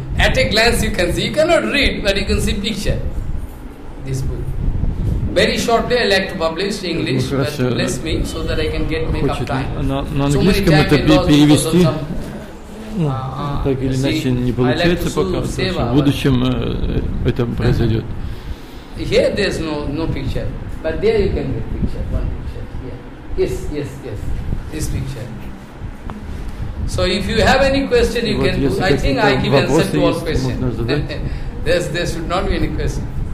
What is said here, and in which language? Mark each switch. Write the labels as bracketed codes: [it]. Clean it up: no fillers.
[en] At a glance you can see, you cannot read, but you can see picture, this book. Very shortly I like to publish English, but bless me, so that I can get make up time. [ru] На английском это перевести, так или иначе не получается пока, в будущем это произойдет. [en] Here there is no picture, but there you can get picture, one picture, yes, this picture. So if you have any question, you can do. I think I give answer to all questions. there should not be any question.